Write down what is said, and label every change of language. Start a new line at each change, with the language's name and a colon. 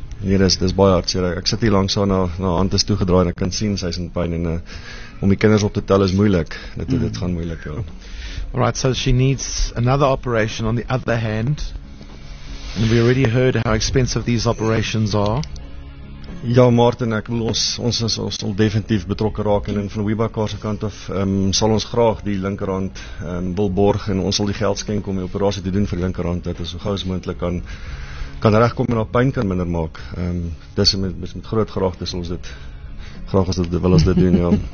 Afrikaans: Nee, dis baie hard, sier, ek sit hier langs haar na hand is toegedraai, en ek kan sien, sy is in pijn, en om die kinders op te tel is moeilik, dit gaan moeilik, ja.
English: Alright, so she needs another operation on the other hand. And we already heard how expensive these operations are.
Afrikaans: Ja, Martin, ek wil ons sal definitief betrokke raak en van Weba Kaars kant af sal ons graag die linkerhand wil borg en ons sal die geld skenk om die operasie te doen vir die linkerhand. Dit is so gou as moontlik kan regkom en haar pyn kan minder maak. Dis met groot graagte sal ons dit graag as dit wil ons dit doen, ja.